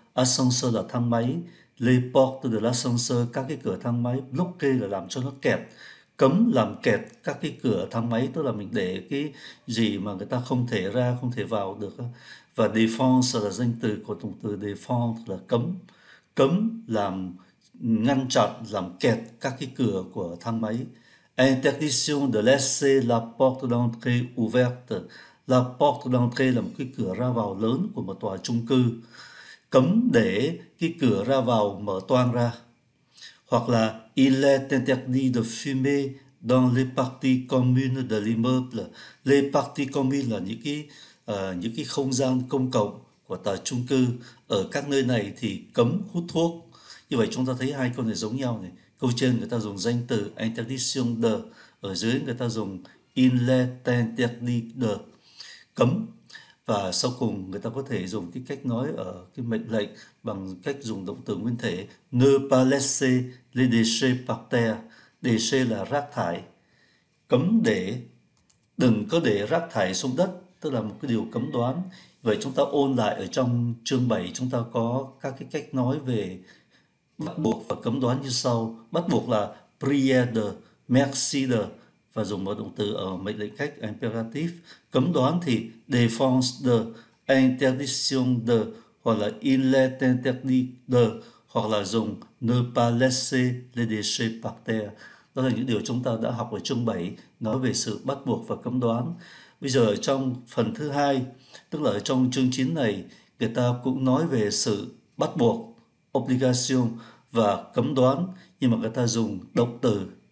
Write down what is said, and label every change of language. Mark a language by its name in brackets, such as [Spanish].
[Vietnamese] Ascenseur là thang máy, [French] les portes de l'ascenseur [Vietnamese] các cái cửa thang máy, bloquer là làm cho nó kẹt, cấm làm kẹt các cái cửa thang máy, tức là mình để cái gì mà người ta không thể ra, không thể vào được. Và défense là danh từ của động từ défendre, là cấm, cấm làm ngăn chặn, làm kẹt các cái cửa của thang máy. [French] Interdiction de laisser la porte d'entrée ouverte. La porte d'entrée [Vietnamese] là một cái cửa ra vào lớn của một tòa chung cư, cấm để cái cửa ra vào mở toang ra. Hoặc là [French] il est interdit de fumer dans les parties communes de l'immeuble. Les parties communes [Vietnamese] là những cái không gian công cộng của tòa chung cư. Ở các nơi này thì cấm hút thuốc. Như vậy chúng ta thấy hai câu này giống nhau này. Câu trên người ta dùng danh từ interdiction de, ở dưới người ta dùng [French] il est interdit de, [Vietnamese] cấm. Và sau cùng người ta có thể dùng cái cách nói ở cái mệnh lệnh bằng cách dùng động từ nguyên thể [French] ne pas laisser les déchets par terre. [Vietnamese] Déchets là rác thải, cấm để, đừng có để rác thải xuống đất, tức là một cái điều cấm đoán. Vậy chúng ta ôn lại ở trong chương 7, chúng ta có các cái cách nói về bắt buộc và cấm đoán như sau. Bắt buộc là prier de, merci de, và dùng một động từ ở mệnh lệnh cách imperative. Cấm đoán thì défense de, interdiction de, hoặc là [French] il est interdit de, [Vietnamese] hoặc là dùng [French] ne pas laisser les déchets par terre. [Vietnamese] Đó là những điều chúng ta đã học ở chương 7, nói về sự bắt buộc và cấm đoán. Bây giờ trong phần thứ hai, tức là ở trong chương 9 này, người ta cũng nói về sự bắt buộc, obligation, và cấm đoán, nhưng mà người ta dùng động từ.